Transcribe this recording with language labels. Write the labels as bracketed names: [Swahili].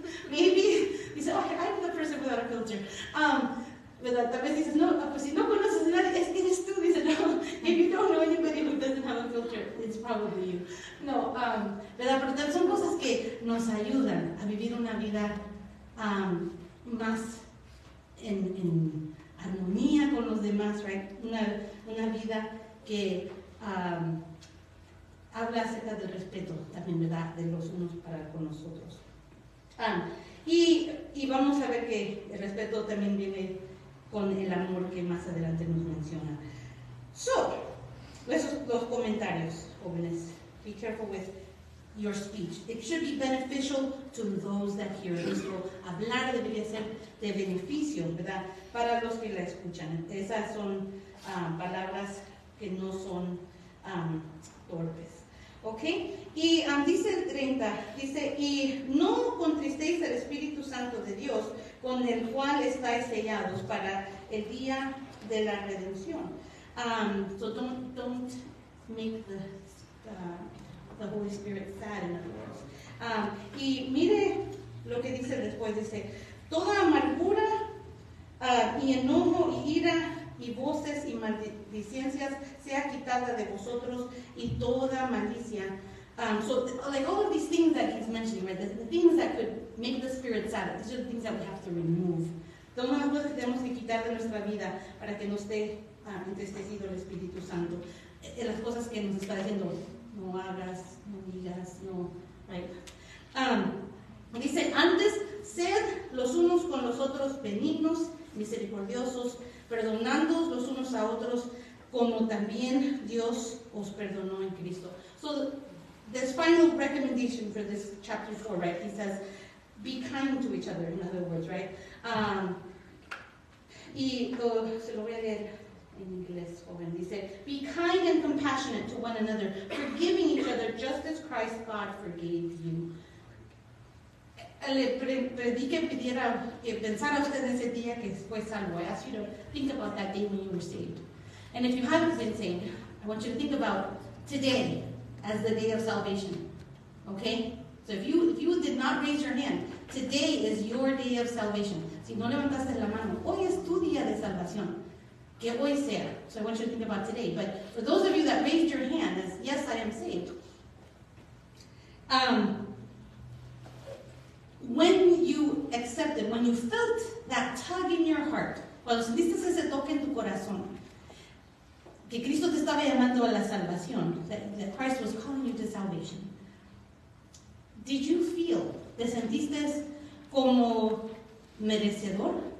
[English] Maybe, you say, oh, I'm the person without a filter. [Spanish] ¿Verdad? Tal vez dices, no, pues si no conoces a nadie, es que eres tú. Dices, no, [English] if you don't know anybody who doesn't have a filter, it's probably you. [Spanish] No, ¿verdad? Pero son cosas que nos ayudan a vivir una vida más en armonía con los demás, [English] right? [Spanish] Una vida que habla acerca del respeto también, ¿verdad? De los unos para con los otros. Y vamos a ver que el respeto también viene con el amor que más adelante nos menciona. So, esos dos comentarios, jóvenes. [English] Be careful with your speech. It should be beneficial to those that hear it. [Spanish] So, hablar debería ser de beneficio, ¿verdad? Para los que la escuchan. Esas son palabras que no son torpes. ¿Ok? Y dice el 30, dice, y no contristéis al Espíritu Santo de Dios, con el cual estáis sellados para el día de la redención. [English] So don't make the Holy Spirit sad in other words. [Spanish] Y mire lo que dice después, dice, toda amargura y enojo y ira y voces y maldiciencias sea quitada de vosotros y toda malicia. [English] So all of these things that he's mentioning, right? The things that could make the spirit sad, these are the things that we have to remove. [Spanish] Todas las cosas que tenemos que quitar de nuestra vida para que no esté entristecido el Espíritu Santo. Las cosas que nos está diciendo, no hagas, no digas, no, [English] right? [Spanish] Dice, antes, sed los unos con los otros benignos, misericordiosos, perdonándoos los unos a otros, como también Dios os perdonó en Cristo. [English] So, this final recommendation for this chapter 4, right? He says, be kind to each other, in other words, right? [Spanish] Y se lo voy a leer En inglés, joven, dice, [English] be kind and compassionate to one another, forgiving each other just as Christ God forgave you. [Spanish] Le prediqué pidiera que pensara usted ese día que fue salvo. [English] I ask you to think about that day when you were saved. And if you haven't been saved, I want you to think about today as the day of salvation. Okay? So if you did not raise your hand, today is your day of salvation. [Spanish] Si no levantaste la mano, hoy es tu día de salvación. Que hoy sea. [English] So I want you to think about today. But for those of you that raised your hand, as yes, I am saved. When you accepted, when you felt that tug in your heart, [Spanish] cuando sentiste ese toque en tu corazón, que Cristo te estaba llamando a la salvación, [English] that Christ was calling you to salvation, did you feel, [Spanish] te sentiste como merecedor?